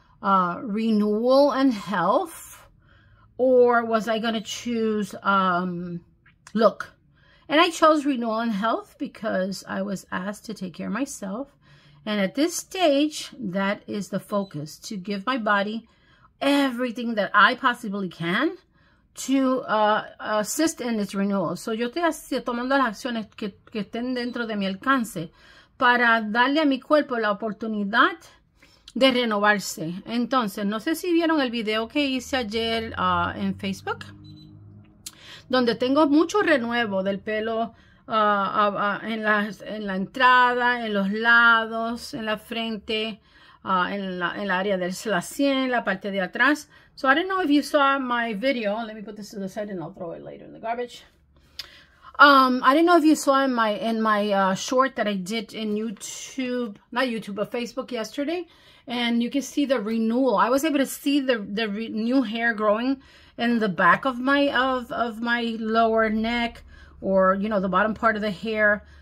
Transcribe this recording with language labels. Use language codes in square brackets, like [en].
[en] renewal and health, or was I going to choose look? And I chose renewal and health because I was asked to take care of myself. And at this stage, that is the focus, to give my body everything that I possibly can to assist in its renewal. [es] So yo estoy tomando las acciones que estén dentro de mi alcance para darle a mi cuerpo la oportunidad de renovarse. Entonces, no sé si vieron el video que hice ayer en Facebook, donde tengo mucho renuevo del pelo en la entrada, en los lados, en la frente, en la área de la sien, la parte de atrás. [en] So I don't know if you saw my video. Let me put this to the side and I'll throw it later in the garbage. I don't know if you saw in my short that I did in YouTube, not YouTube, but Facebook yesterday. And you can see the renewal. I was able to see the new hair growing in the back of my lower neck, or, you know, the bottom part of the hair.